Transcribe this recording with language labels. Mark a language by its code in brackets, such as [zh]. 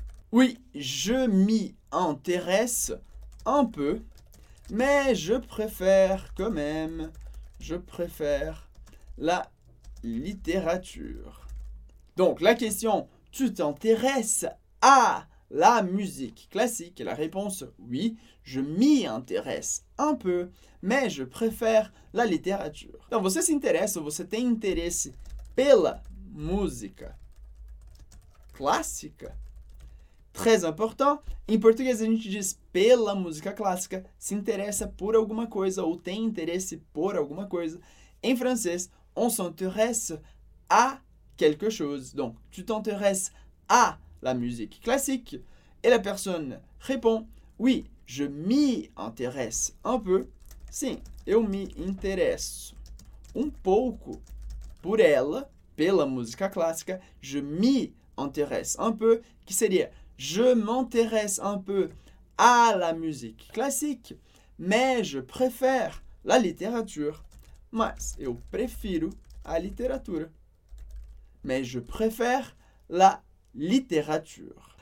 [fr] Oui, je m'y intéresse un peu, mais je préfère quand même, je préfère la littérature. Donc, la question, tu t'intéresses à la musique classique? Et la réponse, oui, je m'y intéresse un peu, mais je préfère la littérature. [pt] Então, você se interessa, você tem interesse pela música clássica? [fr] Très important. [pt] Em português, a gente diz pela música clássica, se interessa por alguma coisa ou tem interesse por alguma coisa. Em francês, [fr] on s'intéresse à quelque chose. Donc, tu t'intéresses à la musique classique. Et la personne répond, oui, je m'y intéresse un peu. [pt] Sim, eu [fr] m'y intéresse un [pt] pouco por ela, pela música clássica. [fr] Je m'y intéresse un peu, [pt] qui seria, [fr] je m'intéresse un peu à la musique classique, mais je préfère la littérature. [pt] Mas eu prefiro a literatura. [fr] Mais je préfère la littérature.